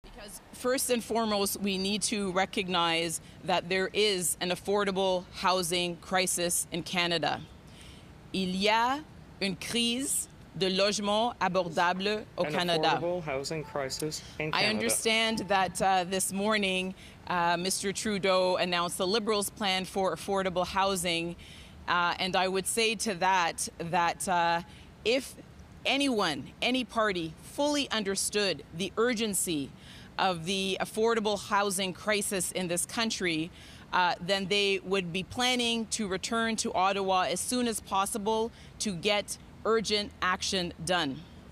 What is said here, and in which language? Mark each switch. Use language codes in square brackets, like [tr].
[en] Because first and foremost, we need to recognize that there is an affordable housing crisis in Canada. [fr] Il y a une crise de logement abordable au Canada. [en] An affordable housing crisis in Canada. I understand that this morning, Mr. Trudeau announced the Liberals' plan for affordable housing. And I would say to that, that if anyone, any party, fully understood the urgency of the affordable housing crisis in this country, then they would be planning to return to Ottawa as soon as possible to get urgent action done.